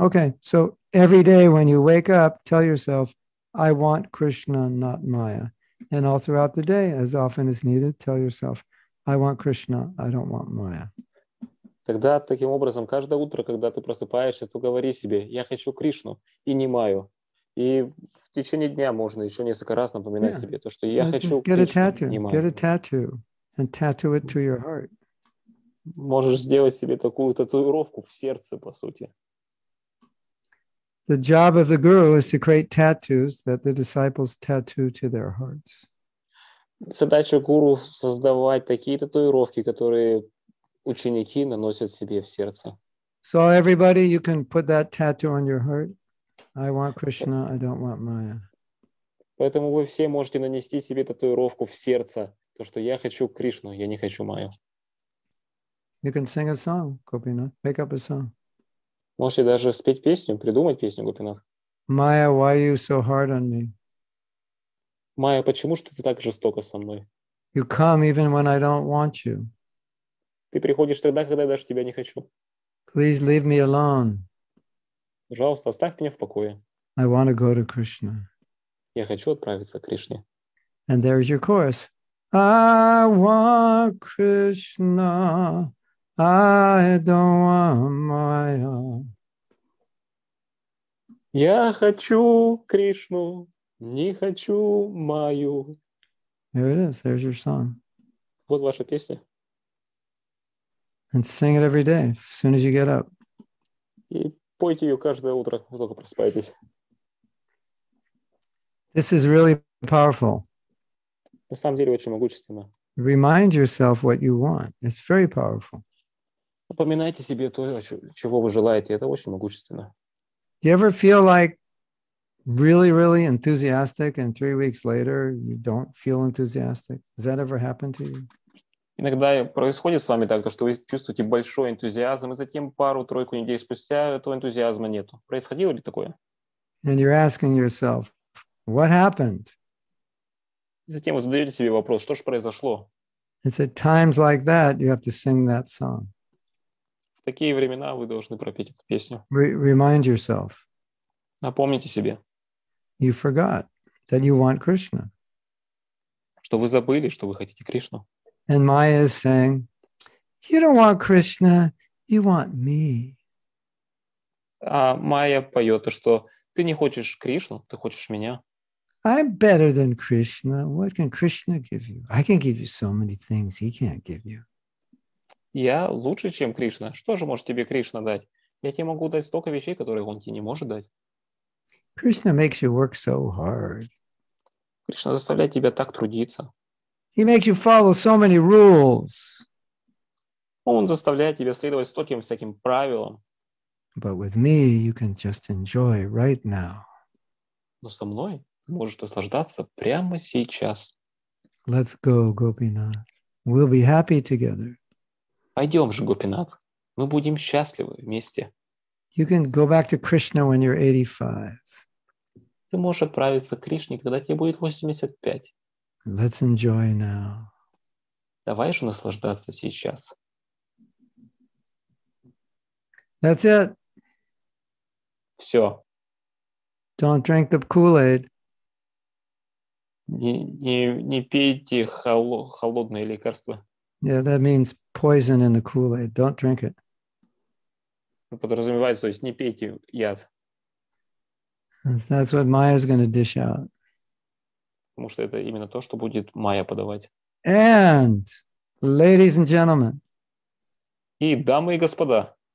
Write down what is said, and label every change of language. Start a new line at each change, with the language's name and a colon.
English: Okay, so every day when you wake up, tell yourself, I want Krishna, not Maya. And all throughout the day, as often as needed, tell yourself, I want Krishna, I don't want Maya.
Russian: Тогда таким образом каждое утро, когда ты просыпаешься, то говори себе: я хочу Кришну и не Майю. И в течение дня можно еще несколько раз напоминать себе то, что я хочу Кришну и не Майю.
English: Get a tattoo and tattoo it to your heart.
Russian: Можешь сделать себе такую татуировку в сердце, по сути.
English: The job of the guru is to create tattoos that the disciples tattoo to their hearts.
Russian: Задача гуру создавать такие татуировки, которые ученики наносят себе в сердце.
English: So everybody, you can put that tattoo on your heart. I want Krishna, I don't want Maya.
Russian: Поэтому вы все можете нанести себе татуировку в сердце, то что я хочу Кришну, я не хочу Майю.
English: You can sing a song, Gopinath. Make up a song.
Russian: Можете даже спеть песню, придумать песню, Гопинат.
English: Maya, why are you so hard on me?
Russian: Maya, почему же ты так жестоко со мной?
English: You come even when I don't want you.
Russian: Ты приходишь тогда, когда я даже тебя не хочу.
English: Please leave me alone.
Russian: Пожалуйста, оставь меня в покое.
English: I want to go to Krishna.
Russian: Я хочу отправиться к Кришне.
English: And there is your chorus. I want Krishna. I don't want Maya.
Russian: Я хочу Кришну, не хочу Майю.
English: There it is. There's your song.
Russian: Вот ваша песня.
English: And sing it every day, as soon as you get up.
Russian: И пойте ее каждое утро, как только просыпаетесь.
English: This is really powerful.
Russian: На самом деле очень могущественно.
English: Remind yourself what you want. It's very powerful.
Russian: Напоминайте себе то, чего вы желаете. Это очень могущественно.
English: Do you ever feel like really, really enthusiastic and 3 weeks later you don't feel enthusiastic? Has that ever happened to you?
Russian: Иногда происходит с вами так, что вы чувствуете большой энтузиазм, и затем пару-тройку недель спустя этого энтузиазма нету. Происходило ли такое?
English: And you're asking yourself, what happened?
Russian: Затем вы задаете себе вопрос, что же произошло?
English: It's at times like that you have to sing that song.
Russian: В такие времена вы должны пропеть эту песню.
English: Remind yourself.
Russian: Напомните себе.
English: You forgot that you want Krishna.
Russian: Что вы забыли, что вы хотите Кришну.
English: And Maya is saying, you don't want Krishna, you want me.
Russian: А Майя поет, что ты не хочешь Кришну, ты хочешь меня.
English: I'm better than Krishna. What can Krishna give you? I can give you so many things he can't give you.
Russian: Я лучше, чем Кришна. Что же может тебе Кришна дать? Я тебе могу дать столько вещей, которые он тебе не может дать.
English: Krishna makes you work so hard.
Russian: Кришна заставляет тебя так трудиться.
English: He makes you follow so many rules.
Russian: Он заставляет тебя следовать стольким всяким правилам.
English: But with me, you can just enjoy right now.
Russian: Но со мной? Может наслаждаться прямо сейчас.
English: Let's go, Gopinath. We'll be happy together.
Russian: Пойдем же, Гопинатх. Мы будем счастливы вместе.
English: You can go back to Krishna when you're 85.
Russian: Ты можешь отправиться к Кришне, когда тебе будет 85.
English: Let's enjoy now.
Russian: Давай же наслаждаться сейчас.
English: That's it.
Russian: Все.
English: Don't drink the Kool-Aid.
Russian: Не пейте холодные лекарства.
English: Yeah, that means poison in the Kool-Aid. Don't drink it.
Russian: Подразумевается, то есть не пейте яд.
English: That's what Maya's going to dish out.
Russian: Потому что это именно то, что будет Майя подавать.
English: And, ladies and gentlemen.
Russian: И дамы и господа.